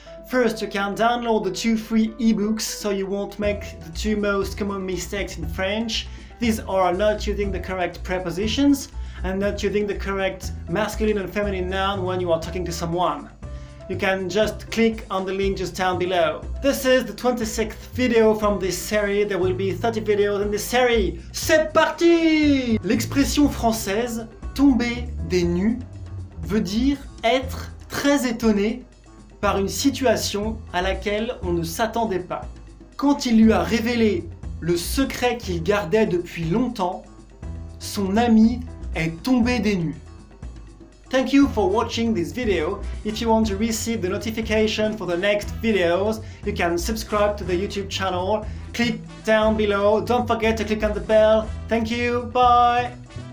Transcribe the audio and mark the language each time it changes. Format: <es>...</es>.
<en>First, you can download the two free ebooks so you won't make the two most common mistakes in French. These are not using the correct prepositions and not using the correct masculine and feminine noun when you are talking to someone. You can just click on the link just down below. This is the 26th video from this series. There will be 30 videos in this series.</en> <fr>C'est parti! L'expression française tomber des nues veut dire être très étonné par une situation à laquelle on ne s'attendait pas. Quand il lui a révélé le secret qu'il gardait depuis longtemps, son ami est tombé des nues.</fr> <en>Thank you for watching this video. If you want to receive the notification for the next videos, you can subscribe to the YouTube channel. Click down below. Don't forget to click on the bell. Thank you. Bye.</en>